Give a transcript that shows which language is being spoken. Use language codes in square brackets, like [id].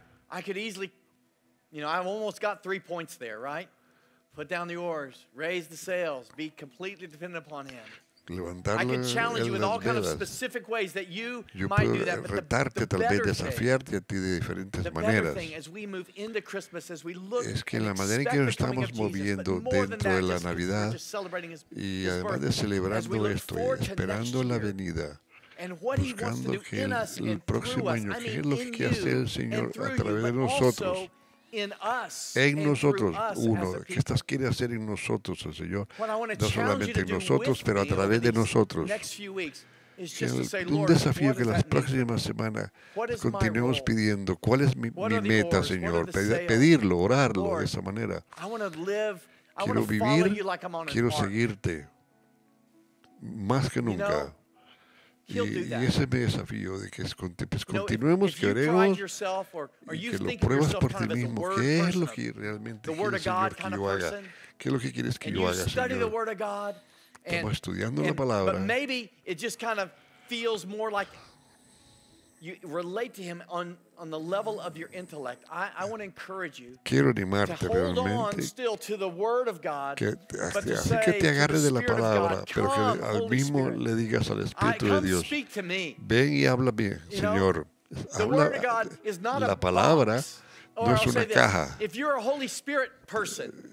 [en] I could easily, I've almost got 3 points there, right? Put down the oars, raise the sails, be completely dependent upon Him. [es] Levantarle, [en] I can challenge you with all kinds of specific ways that you might do that. But the better thing, as we move into Christmas, as we look, [es] es que la manera en que nos estamos moviendo dentro de la Navidad y además de celebrando esto, esperando la venida, buscando que el próximo año, qué es lo que quiere hacer el Señor a través de nosotros. En nosotros, uno, ¿qué estás quiere hacer en nosotros, el Señor? No solamente en nosotros, pero a través de nosotros. Un desafío que las próximas semanas continuemos pidiendo. ¿Cuál es mi meta, Señor? Pedirlo, orarlo de esa manera. Quiero vivir, quiero seguirte más que nunca. Y ese es mi desafío, de que continuemos, queremos, que lo pruebas por ti mismo. ¿Qué es lo que realmente quieres, Señor, que yo haga? ¿Qué es lo que quieres que yo haga, Señor? Estamos estudiando la palabra. [en] But maybe it just kind of feels more like you relate to Him on the level of your intellect. I want to encourage you to hold on still to the Word of God, [es] que te agarres de la palabra, pero que al mismo le digas al Espíritu de Dios, ven y háblame, Señor. Habla. La palabra no es una caja. [en] If you're a Holy Spirit person,